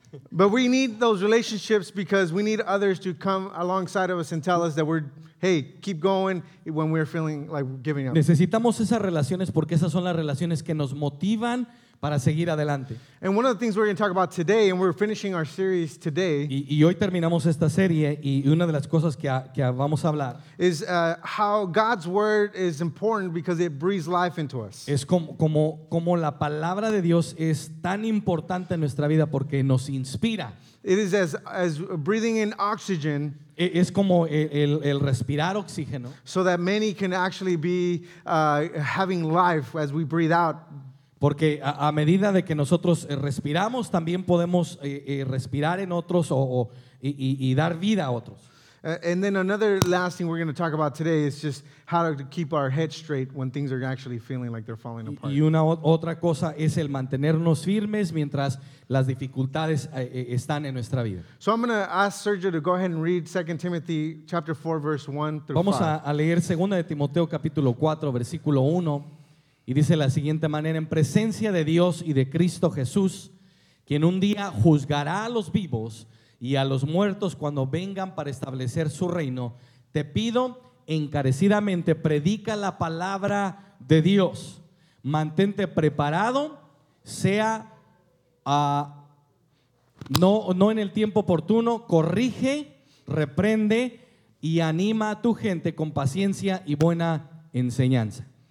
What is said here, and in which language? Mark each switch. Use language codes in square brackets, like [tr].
[en] But we need those relationships because we need others to come alongside of us and tell us that we're, hey, keep going when we're feeling like giving up. [es] Necesitamos esas relaciones porque esas son las relaciones que nos motivan para seguir adelante. [en] And one of the things we're going to talk about today, and we're finishing our series today. [es] Y hoy terminamos esta serie, y una de las cosas que vamos a hablar [en] is how God's word is important because it breathes life into us. [es] Es como la palabra de Dios es tan importante en nuestra vida porque nos inspira. [en] It is as breathing in oxygen. [es] Es como el respirar oxígeno. [en] So that many can actually be having life as we breathe out. [es] Porque a medida de que nosotros respiramos, también podemos respirar en otros y dar vida a otros. [en] And then another last thing we're going to talk about today is just how to keep our head straight when things are actually feeling like they're falling apart. [es] Y una otra cosa es el mantenernos firmes mientras las dificultades están en nuestra vida. [en] So I'm going to ask Sergio to go ahead and read 2 Timothy chapter 4, verse 1 through 5. [es] Vamos a leer 2 de Timoteo capítulo 4, versículo 1. Y dice la siguiente manera, en presencia de Dios y de Cristo Jesús, quien un día juzgará a los vivos y a los muertos cuando vengan para establecer su reino, te pido encarecidamente, predica la palabra de Dios, mantente preparado, sea no en el tiempo oportuno, corrige, reprende y anima a tu gente con paciencia y buena enseñanza.